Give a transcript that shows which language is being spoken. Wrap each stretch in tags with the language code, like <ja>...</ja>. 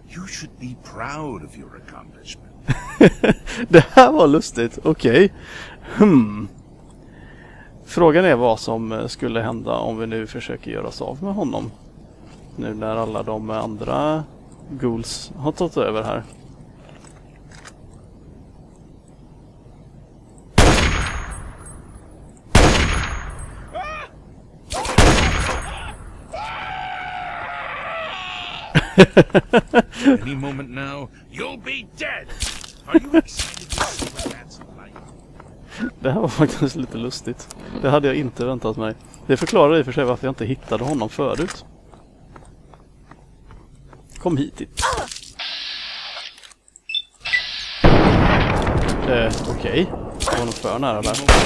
<en>You should be proud of your accomplishment.</en> <sv>Det här var lustigt, okej. Okay. Frågan är vad som skulle hända om vi nu försöker göra oss av med honom. Nu när alla de andra ghouls har tagit över här.</sv> <en>Any moment now, you'll be dead. Are you excited to see that?</en> <sv>Det här var faktiskt lite lustigt. Det hade jag inte väntat mig. Det förklarar i och för sig varför jag inte hittade honom förut. Kom hit. Okej. Okay. Var något för nära där.</sv>